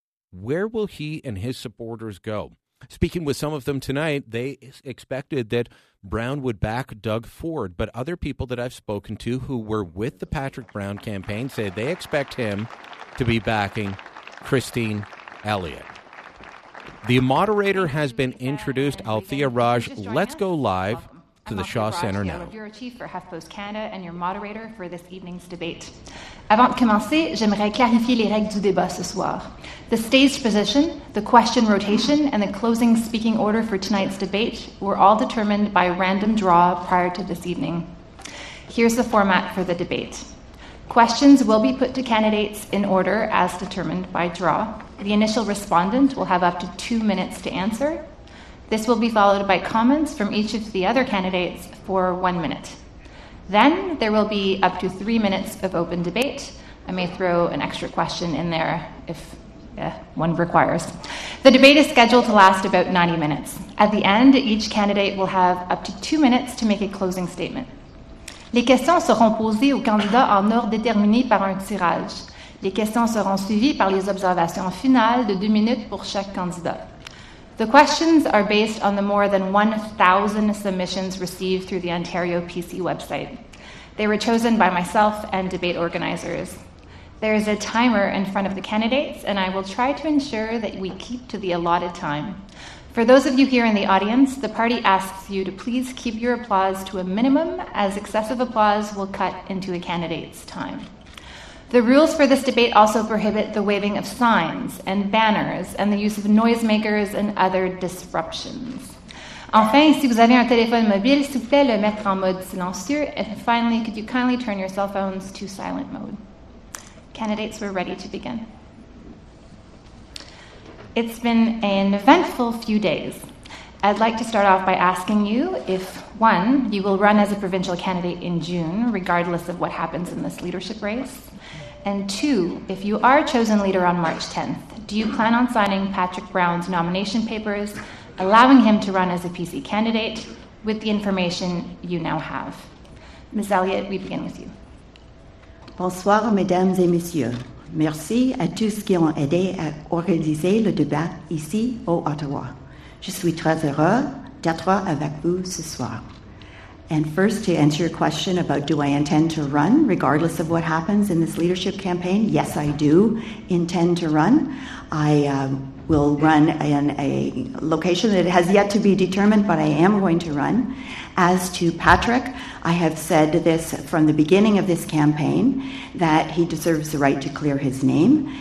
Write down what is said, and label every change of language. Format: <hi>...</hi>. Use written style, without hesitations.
<en>Where will he and his supporters go? Speaking with some of them tonight, they expected that Brown would back Doug Ford, but other people that I've spoken to who were with the Patrick Brown campaign say they expect him to be backing Christine Elliott. The moderator has been introduced, Althea Raj. Let's go live to the Shaw Center now. Bureau Chief for HuffPost Canada and your moderator for this evening's debate.</en> <fr>Avant de commencer, j'aimerais clarifier les règles du débat ce soir.</fr> <en>The stage position, the question rotation, and the closing speaking order for tonight's debate were all determined by random draw prior to this evening. Here's the format for the debate. Questions will be put to candidates in order as determined by draw. The initial respondent will have up to 2 minutes to answer. This will be followed by comments from each of the other candidates for 1 minute. Then there will be up to 3 minutes of open debate. I may throw an extra question in there if one requires. The debate is scheduled to last about 90 minutes. At the end, each candidate will have up to 2 minutes to make a closing statement.</en> <fr>Les questions seront posées aux candidats en ordre déterminé par un tirage. Les questions seront suivies par les observations finales de 2 minutes pour chaque candidat.</fr> <en>The questions are based on the more than 1,000 submissions received through the Ontario PC website. They were chosen by myself and debate organizers. There is a timer in front of the candidates, and I will try to ensure that we keep to the allotted time. For those of you here in the audience, the party asks you to please keep your applause to a minimum, as excessive applause will cut into a candidate's time. The rules for this debate also prohibit the waving of signs and banners and the use of noisemakers and other disruptions.</en> <fr>Enfin, si vous avez un téléphone mobile, s'il vous plaît, le mettre en mode silencieux.</fr> <en>And finally, could you kindly turn your cell phones to silent mode? Candidates, we're ready to begin. It's been an eventful few days. I'd like to start off by asking you if, one, you will run as a provincial candidate in June, regardless of what happens in this leadership race. And two, if you are chosen leader on March 10th, do you plan on signing Patrick Brown's nomination papers, allowing him to run as a PC candidate, with the information you now have? Ms. Elliott, we begin with you.</en> <fr>Bonsoir, mesdames et messieurs. Merci à tous qui ont aidé à organiser le débat ici au Ottawa. Je suis très heureux d'être avec vous ce soir.</fr> <en>And first, to answer your question about do I intend to run regardless of what happens in this leadership campaign, yes, I do intend to run. I will run in a location that has yet to be determined, but I am going to run. As to Patrick, I have said this from the beginning of this campaign, that he deserves the right to clear his name.</en>